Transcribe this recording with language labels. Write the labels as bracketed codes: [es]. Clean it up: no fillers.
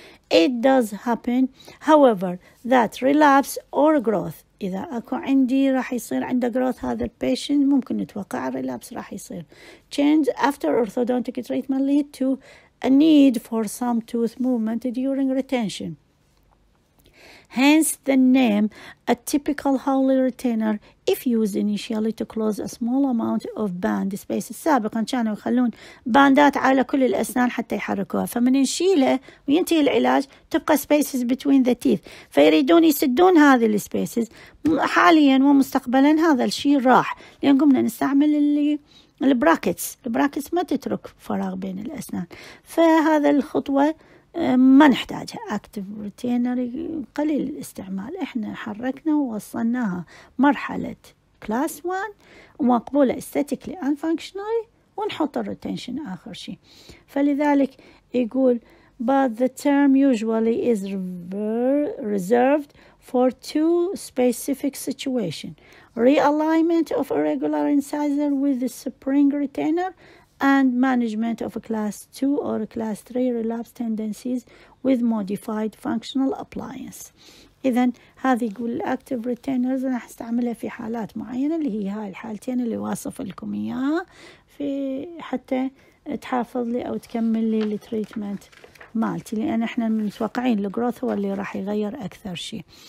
[en] It does happen, however, that relapse or growth. [ar] إذا أكو عندي راح يصير عنده growth هذا patient ممكن نتوقع relapse راح يصير. [en] Change after orthodontic treatment lead to a need for some tooth movement during retention. Hence the name a typical hollow retainer if used initially to close a small amount of band space. [ar] سابقا كانوا يخلون باندات على كل الأسنان حتى يحركوها، فمن نشيله وينتهي العلاج تبقى [en] spaces between the teeth، [ar] فيريدون يسدون هذه spaces حاليا ومستقبلا هذا الشيء راح، لأن قمنا نستعمل اللي البراكتس، البراكتس ما تترك فراغ بين الأسنان، فهذا الخطوة ما نحتاجها. أكتف روتينر قليل الاستعمال، إحنا حركنا ووصلناها مرحلة كلاس 1 ومقبولة استاتيكلي أن فانكشنالي ونحط الروتينشن آخر شيء. فلذلك يقول [en] but the term usually is reserved for two specific situations: realignment of irregular incisor with the spring retainer and management of a class 2 or a class 3 relapse tendencies with modified functional appliance. [ar] إذن هذه يقول [en] active retainers [ar] أنا هستعملها في حالات معينة اللي هي هاي الحالتين اللي واصف لكم إياها، في حتى تحافظ لي أو تكمل لي التريتمنت مالتي، لأن إحنا متوقعين الجروث هو اللي راح يغير أكثر شيء.